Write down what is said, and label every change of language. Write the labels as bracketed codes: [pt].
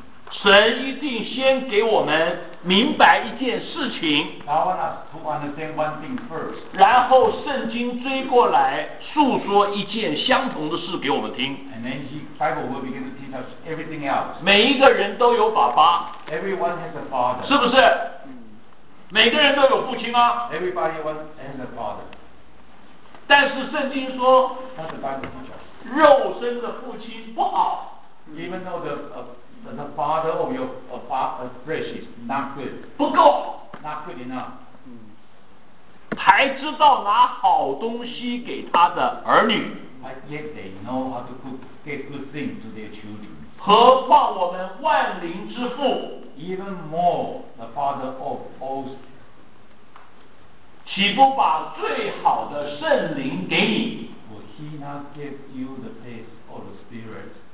[zh] 神一定先给我们明白一件事情。 [en] I want us to understand one thing first. [zh] 然后圣经追过来诉说一件相同的事给我们听。 [en] And then the Bible will begin to teach us everything else. [zh] 每一个人都有爸爸。 [en] Everyone has a father. [zh] 是不是？每个人都有父亲啊。 [en] Everybody has a father. [zh] 但是圣经说。 [en] That's the Bible teaches us. [zh] 肉身的父亲不好。 [en] Even though the father of your flesh is not good. [zh] 不够。 [en] Not good enough. [zh] 还知道拿好东西给他的儿女。 [en] But yet they know how to give good things to their children. [zh] 何况我们万灵之父。 [en] Even more, the father of all. [zh] 岂不把最好的圣灵给你。 [en] Will he not give you the place of the spirit?